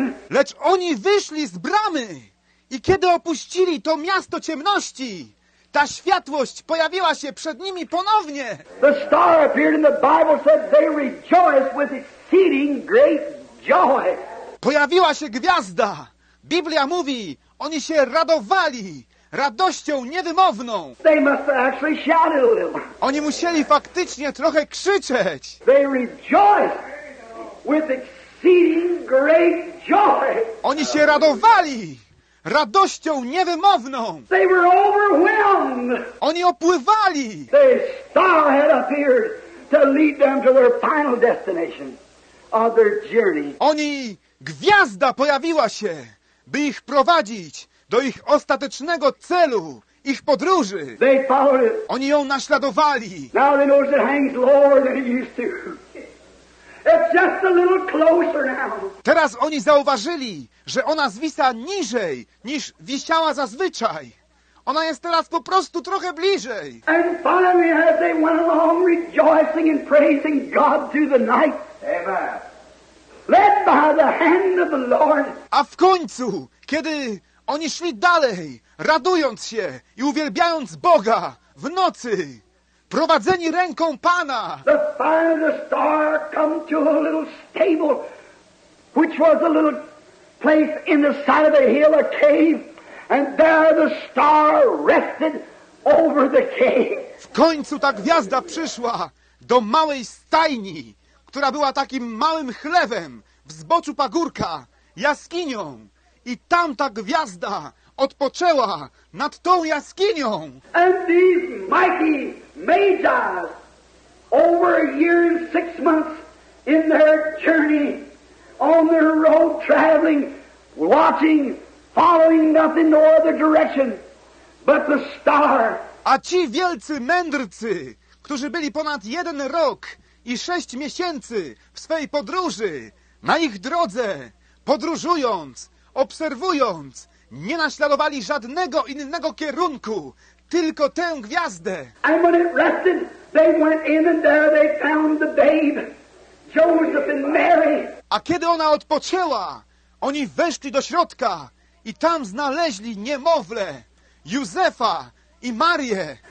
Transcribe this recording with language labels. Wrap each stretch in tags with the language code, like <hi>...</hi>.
<pl>Lecz oni wyszli z bramy i kiedy opuścili to miasto ciemności, ta światłość pojawiła się przed nimi ponownie.</pl> <en>The star appeared and the Bible said they rejoiced with exceeding great joy.</en> <pl>Pojawiła się gwiazda. Biblia mówi, oni się radowali radością niewymowną.</pl> <en>They must have actually shouted a little.</en> <pl>Oni musieli faktycznie trochę krzyczeć.</pl> <en>They rejoiced with exceeding great joy.</en> <pl>Oni się radowali radością niewymowną.</pl> <en>They were overwhelmed.</en> <pl>Oni opływali.</pl> <en>The star had appeared to lead them to their final destination of their journey.</en> <pl>Oni, gwiazda pojawiła się, by ich prowadzić do ich ostatecznego celu, ich podróży.</pl> <en>They followed it.</en> <pl>Oni ją naśladowali.</pl> <en>Now they know it hangs lower than it used to. It's just a little closer now.</en> <pl>Teraz oni zauważyli, że ona zwisa niżej, niż wisiała zazwyczaj. Ona jest teraz po prostu trochę bliżej.</pl> <en>And finally, as they went along rejoicing and praising God through the night. Amen. Led by the hand of the Lord.</en> <pl>A w końcu, kiedy oni szli dalej, radując się i uwielbiając Boga w nocy, prowadzeni ręką Pana.</pl> <en>The fire of the star come to a little stable, which was a little place in the side of a hill, a cave, and there the star rested over the cave.</en> <pl>W końcu ta gwiazda przyszła do małej stajni, która była takim małym chlewem w zboczu pagórka, jaskinią. I tam ta gwiazda odpoczęła nad tą jaskinią.</pl> <en>And these mighty magi, over a year and 6 months in their journey, on their road traveling, watching, following nothing no other direction but the star.</en> <pl>A ci wielcy mędrcy, którzy byli ponad jeden rok i 6 miesięcy w swej podróży, na ich drodze, podróżując, obserwując, nie naśladowali żadnego innego kierunku, tylko tę gwiazdę.</pl> <en>And when it rested, they went in and there they found the babe, Joseph and Mary.</en> <pl>A kiedy ona odpoczęła, oni weszli do środka i tam znaleźli niemowlę, Józefa i Marię.</pl>